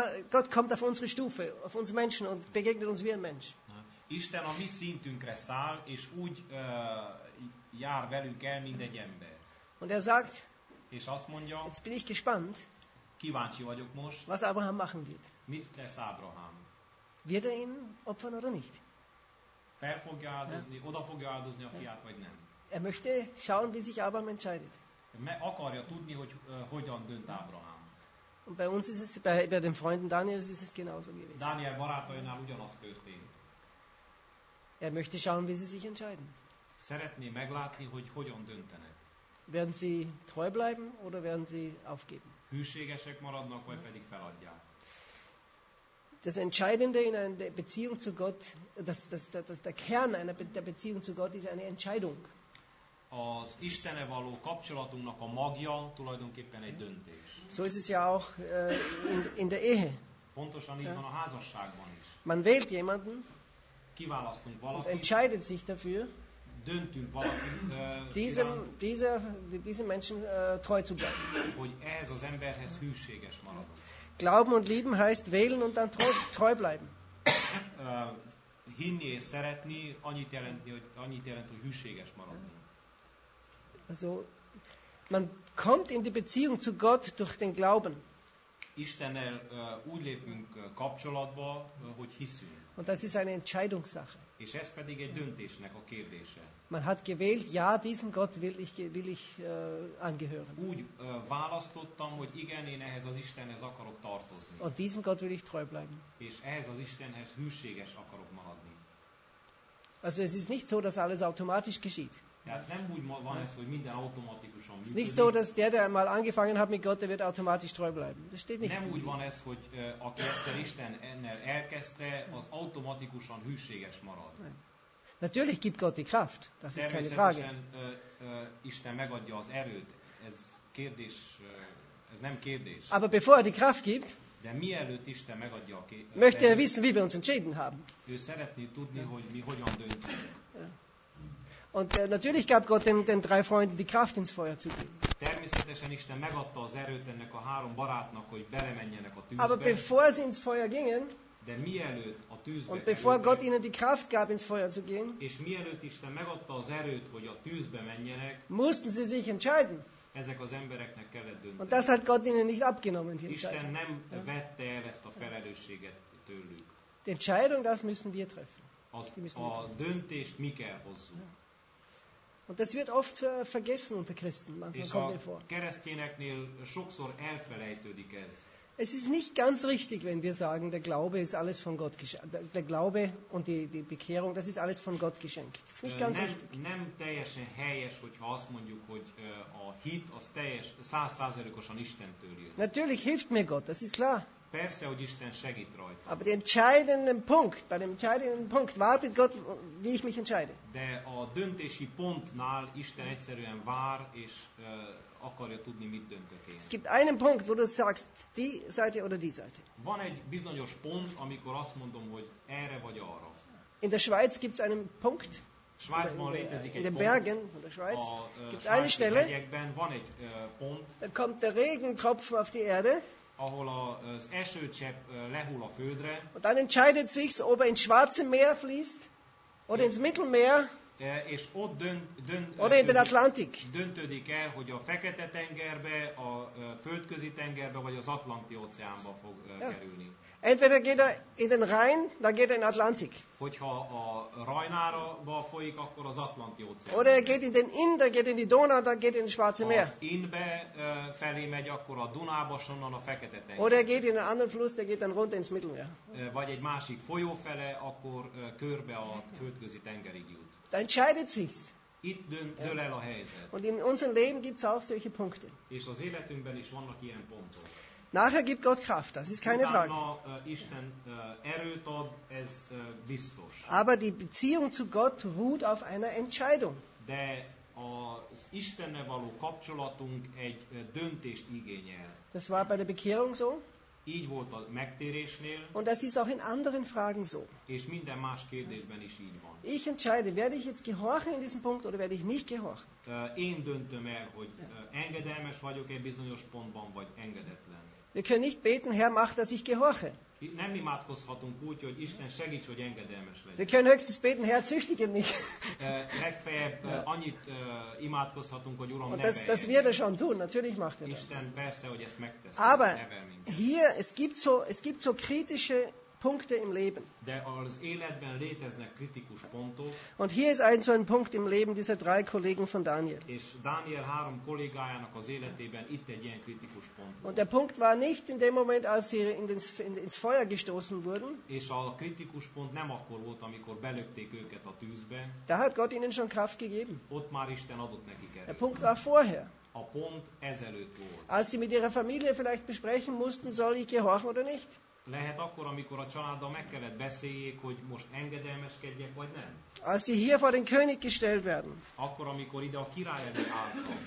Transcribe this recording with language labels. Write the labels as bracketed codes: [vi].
[de] Gott kommt auf unsere Stufe, auf uns Menschen und begegnet uns wie ein Mensch. [hu] Isten a mi szintünkre száll, és úgy jár velünk el, mint egy ember. [de] Und er sagt, [hu] és azt mondja, [de] jetzt bin ich gespannt, [hu] kíváncsi vagyok most, [de] was Abraham machen wird. [hu] Mit lesz Abraham? [de] Wird er ihn opfern oder nicht? [hu] Fel fogja áldozni, oda fogja áldozni a fiát, vagy nem? [de] Er möchte schauen, wie sich Abraham entscheidet. [hu] Akarja tudni, hogy hogyan dönt Abraham. [de] Und bei uns ist es, bei den Freunden Daniels ist es genauso gewesen. [hu] Daniel barátainál ugyanaz történt. [de] Er möchte schauen, wie sie sich entscheiden. [hu] Szeretné meglátni, hogy hogyan döntenek. [de] Werden sie treu bleiben, oder werden sie aufgeben? [hu] Hűségesek maradnak, vagy pedig feladják. [de] Das Entscheidende in einer Beziehung zu Gott, der Kern der Beziehung zu Gott ist eine Entscheidung. [hu] Az Istene való kapcsolatunknak a magja tulajdonképpen egy döntés. [de] So ist es ja auch in der Ehe. [hu] Pontosan így van a házasságban is. [de] Man wählt jemanden. [hu] Kiválasztunk valakit. [de] Und entscheidet sich dafür. [hu] Döntünk valakit. [de] Diesem Menschen treu zu bleiben. [hu] Hogy ehhez az emberhez hűséges maradunk. [de] Glauben und lieben heißt wählen und dann treu bleiben. [hu] Hinni és szeretni annyit jelent, hogy hűséges maradni. [de] Also, man kommt in die Beziehung zu Gott durch den Glauben. [hu] Istennel úgy lépünk kapcsolatba, hogy hiszünk. [de] Und das ist eine Entscheidungssache. [hu] És ez pedig egy döntésnek a kérdése. [de] Man hat gewählt, ja, diesem Gott will ich angehören. [hu] Úgy választottam, hogy igen, én ehhez az Istenhez akarok tartozni. [de] Und diesem Gott will ich treu bleiben. [hu] És ehhez az Istenhez hűséges akarok maradni. [de] Also es ist nicht so, dass alles automatisch geschieht. [hu] Tehát nem úgy van ez, hogy minden automatikusan működik. [de] Nicht so, dass der mal angefangen hat mit Gott, der wird automatisch treu bleiben. Das steht nicht. [hu] Nem úgy van ez, hogy aki egyszer Isten ennel elkezdte, az automatikusan hűséges marad. [de] Natürlich gibt Gott die Kraft. Das ist keine Frage. [hu] Isten megadja az erőt. Ez kérdés, ez nem kérdés. [de] Aber bevor er die Kraft gibt, [hu] de mielőtt Isten megadja a kérdést, [de] möchte er wissen, wie wir uns entschieden haben. [hu] Ő szeretné tudni, hogy mi hogyan döntünk. [de] Und natürlich gab Gott den drei Freunden die Kraft ins Feuer zu gehen. [hu] Természetesen Isten megadta az erőt ennek a három barátnak, hogy belemenjenek a tűzbe. [de] Aber bevor sie ins Feuer gingen, [hu] de mielőtt a tűzbe. [de] Und bevor Gott ihnen die Kraft gab ins Feuer zu gehen, [hu] és mielőtt Isten megadta az erőt, hogy a tűzbe menjenek, [de] mussten sie sich entscheiden. [hu] Ezek az embereknek kellett dönteni. [de] Und das hat Gott ihnen nicht abgenommen. [hu] Isten nem vette el ezt a felelősséget tőlük. [de] Die Entscheidung, das müssen wir treffen. [hu] A döntést mi kell hozzunk. [de] Und das wird oft vergessen unter Christen. Manchmal kommt mir vor. [hu] Keresztényeknél sokszor elfelejtődik ez. [de] Es ist nicht ganz richtig, wenn wir sagen, der Glaube ist alles von Gott geschenkt. Der Glaube und die Bekehrung, das ist alles von Gott geschenkt. Das ist nicht ganz richtig. [hu] Nem teljesen helyes, hogyha azt mondjuk, hogy a hit az teljes 100%-osan Istentől jön. [de] Natürlich hilft mir Gott, das ist klar. [hu] Persze, hogy Isten segít rajta. [de] Aber den entscheidenden Punkt, bei dem entscheidenden Punkt wartet Gott, wie ich mich entscheide. [hu] De a döntési pontnál Isten egyszerűen vár, és akarja tudni, mit döntök én. [de] Es gibt einen Punkt, wo du sagst, die Seite oder die Seite. [hu] Van egy bizonyos pont, amikor azt mondom, hogy erre vagy arra. [de] In der Schweiz gibt es einen Punkt. [hu] Schweizban létezik egy pont. [de] In den Bergen von der Schweiz gibt es eine Stelle. [hu] Egyekben van egy pont. [de] Da kommt der Regentropfen auf die Erde. [hu] Ahol az esőcsepp lehull a földre. [de] Und dann entscheidet sich's, ob er ins Schwarze Meer fließt oder ins Mittelmeer. [hu] És ott [de] oder in den Atlantik. [hu] Döntődik el, hogy a Fekete-tengerbe, a Földközi-tengerbe vagy az Atlanti-óceánba fog kerülni. [de] Entweder geht er in den Rhein, dann geht er in den Atlantik. [hu] Hogyha a Rajnára folyik, akkor az Atlanti-óceán. [de] Oder er geht in den Inn, dann geht in die Donau, dann geht in das Schwarze Meer. [hu] Ha Innbe felé megy, akkor a Dunába, sonnan a Fekete-tenger. [de] Oder er geht in einen anderen Fluss, dann geht dann runter ins Mittelmeer. [hu] Vagy egy másik folyó fele, akkor körbe a Földközi-tengerig jut. [de] Da entscheidet sich's. [hu] Itt dől el a helyzet. [de] Und in unserem Leben gibt's auch solche Punkte. [hu] És az életünkben is vannak ilyen pontok. [de] Nachher gibt Gott Kraft, das ist keine Frage. [hu] Isten erőt ad, ez biztos. [de] Aber die Beziehung zu Gott ruht auf einer Entscheidung. [hu] De az Istennel való kapcsolatunk egy döntést igényel. [de] Das war bei der Bekehrung so. [hu] Így volt a megtérésnél. [de] Und das ist auch in anderen Fragen so. [hu] És minden más kérdésben is így van. [de] Ich entscheide, werde ich jetzt gehorchen in diesem Punkt, oder werde ich nicht gehorchen? [hu] Én döntöm el, hogy engedelmes vagyok egy bizonyos pontban, vagy engedetlen. [de] Wir können nicht beten, Herr, mach, dass ich gehorche. [hu] Nem imádkozhatunk úgy, hogy Isten segíts, hogy engedelmes legyen. [de] Wir können höchstens beten, Herr, züchtige mich. [hu] Legfeljebb annyit imádkozhatunk, hogy Uram, nevelj. [de] Und das wird er schon tun, natürlich macht er das. [hu] Isten persze, hogy ezt megtesz. [de] Aber hier, es gibt so kritische Punkte im Leben. [hu] De az életben léteznek kritikus pontok. [de] Und hier ist ein so ein Punkt im Leben dieser drei Kollegen von Daniel. [hu] És Daniel három kollégájának az életében itt egy ilyen kritikus pont. [de] Und der Punkt war nicht in dem Moment, als sie ins Feuer gestoßen wurden. [hu] És a kritikus pont nem akkor volt, amikor belökték őket a tűzbe. [de] Da hat Gott ihnen schon Kraft gegeben. [hu] Ott már Isten adott nekik erőt. [de] Der Punkt war vorher. [hu] A pont ezelőtt volt. [de] Als sie mit ihrer Familie vielleicht besprechen mussten, soll ich gehorchen oder nicht? [hu] Lehet akkor, amikor a családdal meg kellett beszéljék, hogy most engedelmeskedjek, vagy nem. [de] Als sie hier vor den König gestellt werden. [hu] Akkor, amikor ide a király elé álltak.